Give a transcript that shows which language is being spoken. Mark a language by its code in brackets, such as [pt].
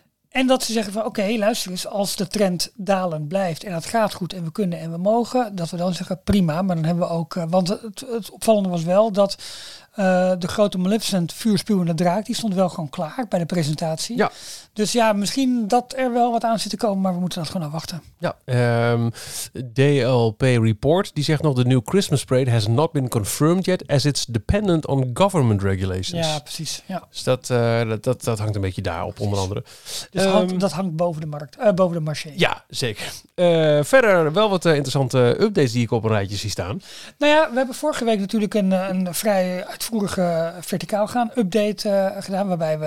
[nl] En dat ze zeggen van, oké, luister eens, als de trend dalen blijft en het gaat goed en we kunnen en we mogen, dat we dan zeggen, prima, maar dan hebben we ook... Want het opvallende was wel dat de grote Maleficent vuurspuwende draak, die stond wel gewoon klaar bij de presentatie. Ja. Dus ja, misschien dat er wel wat aan zit te komen, maar we moeten dat gewoon afwachten. Ja, DLP Report, die zegt nog, [en] the new Christmas parade has not been confirmed yet as it's dependent on government regulations. [nl] Ja, precies. Ja. Dus dat hangt een beetje daarop, onder andere. Dus dat hangt boven de markt, boven de marché. Ja, zeker. Verder wel wat interessante updates die ik op een rijtje zie staan. Nou ja, we hebben vorige week natuurlijk een vrij uitvoerige verticaal gaan update gedaan, waarbij we...